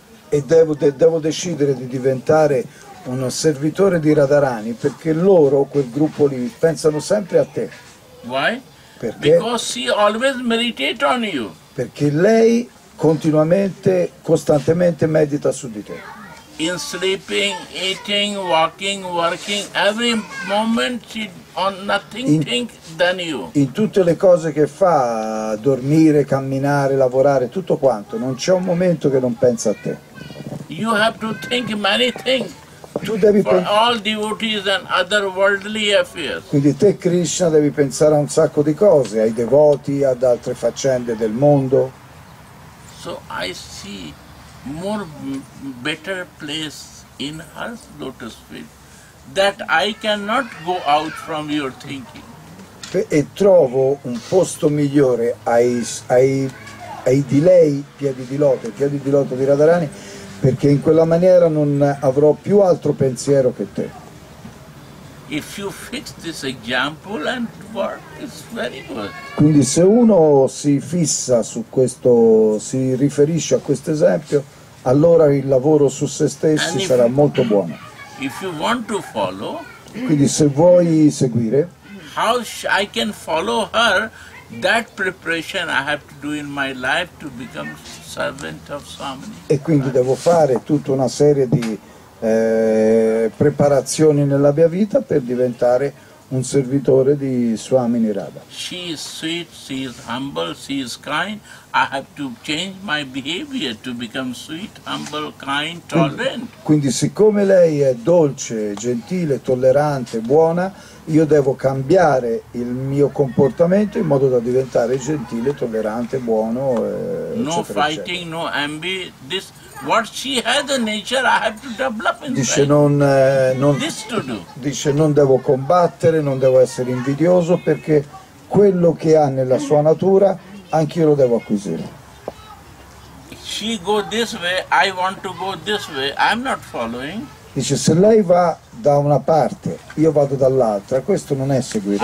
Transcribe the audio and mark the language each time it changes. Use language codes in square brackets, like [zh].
[it] E devo decidere di diventare un servitore di Radharani, perché loro, quel gruppo lì, pensano sempre a te. [en] Why? [it] Perché? [en] Because she always meditate on you. [it] Perché lei continuamente, costantemente medita su di te. [en] In sleeping, eating, walking, working, every moment she on nothing think than you. [it] In tutte le cose che fa, dormire, camminare, lavorare, tutto quanto, non c'è un momento che non pensa a te. [en] You have to think many things. For all devotees and other worldly affairs. [it] Quindi te Krishna devi pensare a un sacco di cose, ai devoti, ad altre faccende del mondo. [en] So I see more better place in her lotus feet that I cannot go out from your thinking. [it] E trovo un posto migliore ai di lei, piedi di loto di Radharani. Perché in quella maniera non avrò più altro pensiero che te. [en] If you fix this example and work, it's very good. [it] Quindi se uno si fissa su questo, si riferisce a questo esempio, allora il lavoro su se stessi sarà molto buono. [en] If you want to follow, [it] quindi se vuoi seguire, [en] how I can follow her, that preparation I have to do in my life to become servant of Swamini. [it] E quindi devo fare tutta una serie di preparazioni nella mia vita per diventare un servitore di Swamini Radha. [en] She is sweet, she is humble, she is kind. I have to change my behavior to become sweet, humble, kind, tolerant. [it] Quindi siccome lei è dolce, gentile, tollerante, buona, io devo cambiare il mio comportamento in modo da diventare gentile, tollerante, buono, eccetera. [en] No fighting, no envy. This what she has the nature I have to develop in. [it] Dice non [en] this to do. [it] Dice non devo combattere, non devo essere invidioso, perché quello che ha nella sua natura anch'io lo devo acquisire. [en] She go this way, I want to go this way. I'm not following. [it] Dice se lei va da una parte, io vado dall'altra, questo non è seguire.